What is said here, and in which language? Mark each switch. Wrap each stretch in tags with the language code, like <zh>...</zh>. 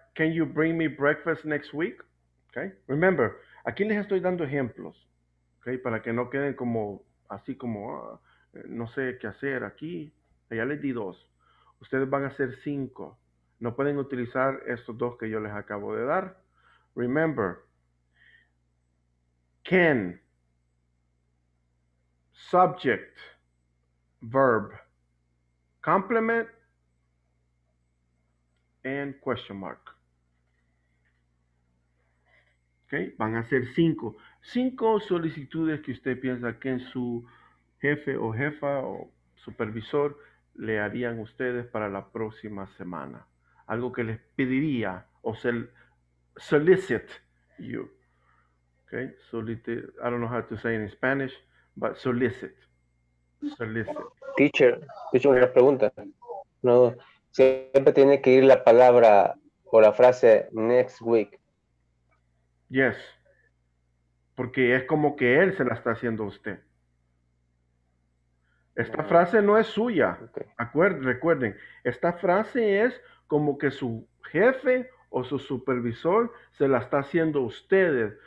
<en>Can you bring me breakfast next week? Okay. Remember.</en> <es>Aquí les estoy dando ejemplos, okay, para que no queden como, así como, no sé qué hacer aquí. Allá les di 2. Ustedes van a hacer 5. No pueden utilizar estos 2 que yo les acabo de dar.</es> <en>Remember, can, subject, verb, complement, and question mark.</en> <es>Okay, van a ser 5. 5 solicitudes que usted piensa que en su jefe o jefa o supervisor le harían ustedes para la próxima semana. Algo que les pediría o</es> <en>solicit you. Okay, solicit, I don't know how to say it in Spanish, but solicit. Solicit.</en> <es>Teacher, teacher, una pregunta. No, siempre tiene que ir la palabra o la frase next week.</es> <en>Yes.</en> <es>Porque es como que él se la está haciendo a usted. Esta frase no es suya. Okay. Recuerden, esta frase es como que su jefe o su supervisor se la está haciendo a ustedes.</es>